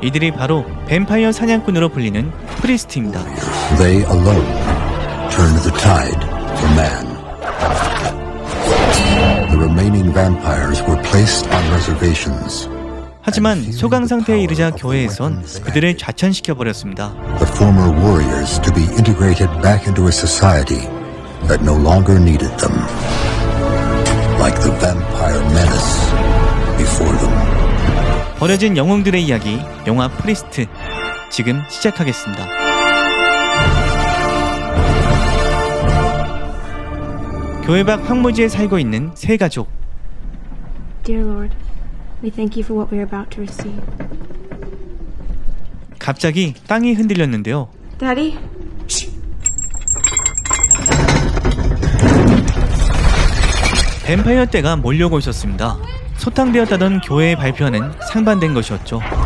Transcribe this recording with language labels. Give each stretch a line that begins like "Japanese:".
Korean: 이들이 바로 뱀파이어 사냥꾼으로 불리는 프리스트입니다.
English: They alone turn the tide for man. The remaining vampires were placed on reservations.
Korean: 하지만 소강 상태에 이르자 교회에선 그들을 좌천시켜 버렸습니다.
English: The former warriors to be integrated back into a society that no longer needed them. Like the vampire menace before them.
Korean: 버려진 영웅들의 이야기, 영화 프리스트. 지금 시작하겠습니다. 교회 밖 황무지에 살고 있는 세 가족.
English: Dear Lord, we thank you for what we are about to receive.
Korean: 갑자기 땅이 흔들렸는데요.
English: Daddy?
Korean: 뱀파이어 때가 몰려오고 있었습니다. 소탕되었다던 교회의 발표와는 상반된 것이었죠.